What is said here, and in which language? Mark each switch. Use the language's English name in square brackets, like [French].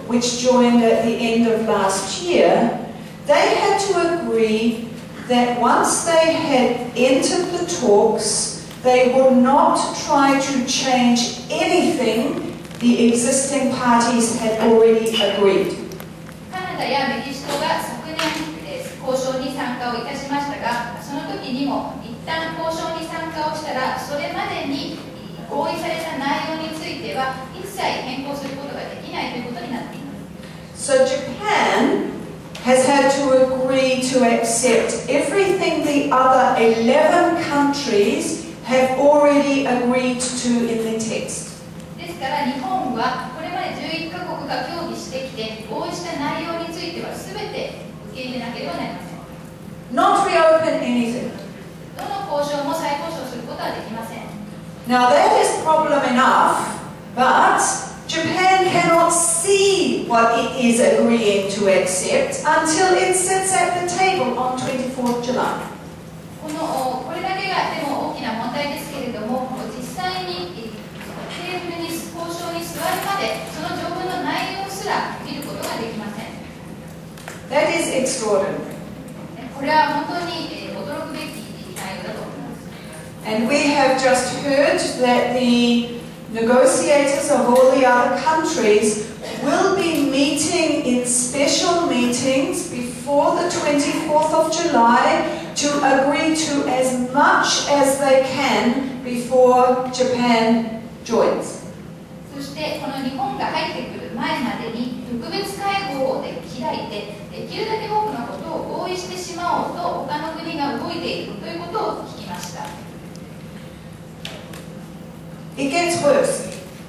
[English] which joined at the end of last year, they had to agree that once they had entered the talks, they would not try to change anything the existing parties had already agreed. [Japanese] カナダやメキシコが昨年、交渉に参加をいたしましたが、その時にも一旦交渉に参加をしたら、それまでに合意された内容については一切変更することができないということになっています。 [English] So Japan has had to agree to accept everything the other 11 countries have already agreed to in the text. [Japanese] ですから日本はこれまで11カ国が協議してきて合意した内容についてはすべて受け入れなければなりません。 [English] Not reopen anything. [Japanese] どの交渉も再交渉することはできません。 [English] Now that is problem enough, but Japan cannot see what it is agreeing to accept until it sits at the table on 24th July. [Japanese] これだけがでも大きな問題ですけれども、実際にテーブルに交渉に座るまで、その条文の内容すら見ることができません。 [English] That is extraordinary. [Japanese] これは本当に驚くべき内容だと思います。 [English] And we have just heard that the negotiators of all the other countries will be meeting in special meetings before the 24th of July to agree to as much as they can before Japan joins. [Japanese] そしてこの日本が入ってくる前までに特別会合を開いて、できるだけ多くのことを合意してしまおうと他の国が動いているということを聞きました。 [English] It gets worse.